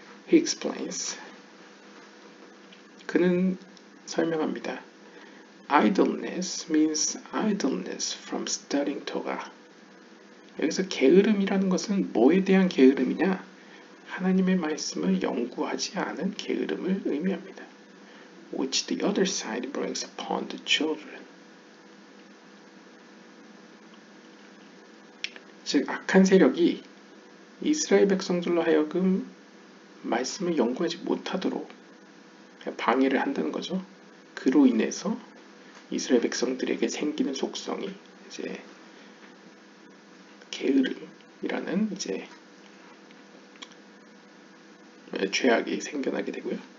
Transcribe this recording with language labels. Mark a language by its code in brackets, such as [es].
[en] He explains. [ko] 그는 설명합니다. [en] Idleness means idleness from studying Torah. [ko] 여기서 게으름이라는 것은 뭐에 대한 게으름이냐? 하나님의 말씀을 연구하지 않은 게으름을 의미합니다. [en] Which the other side brings upon the children. [ko] 즉 악한 세력이 이스라엘 백성들로 하여금 말씀을 연구하지 못하도록 방해를 한다는 거죠. 그로 인해서 이스라엘 백성들에게 생기는 속성이 이제 게으름이라는 이제 죄악이 생겨나게 되고요.